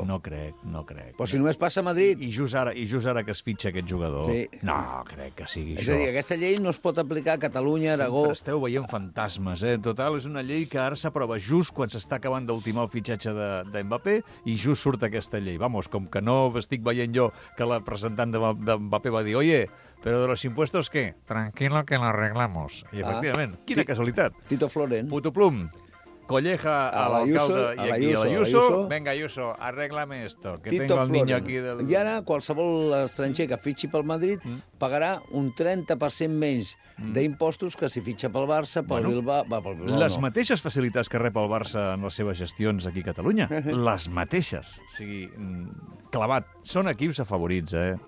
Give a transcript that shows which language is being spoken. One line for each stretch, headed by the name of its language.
Catalan: No crec. Però si només passa a Madrid... I just ara que es fitxa aquest jugador. Sí. No, crec que sigui és això. És a dir, aquesta llei no es pot aplicar a Catalunya, Aragó... Sempre esteu veient fantasmes, eh? En total, és una llei que ara s'aprova just quan s'està acabant d'ultimar el fitxatge de Mbappé i just surt aquesta llei. Vamos, com que no estic veient jo que la presentant de Mbappé va dir
Spanish: oye, pero de los impuestos, ¿qué? Tranquilo, que lo arreglamos.
Catalan: I, efectivament, quina casualitat. Tito Florent. Puto Plum. Colleja a l'alcalde i aquí a l'Ayuso.
Spanish: Venga, Ayuso, arreglame esto, que Tito tengo el niño aquí.
Catalan: Del... I ara qualsevol estranger que fitxi pel Madrid pagarà un 30% menys d'impostos que si fitxa pel Barça, pel Bilbao... Bueno, les mateixes facilitats que rep el Barça en les seves gestions aquí a Catalunya. Les mateixes. O sigui, clavat. Són equips afavorits, eh?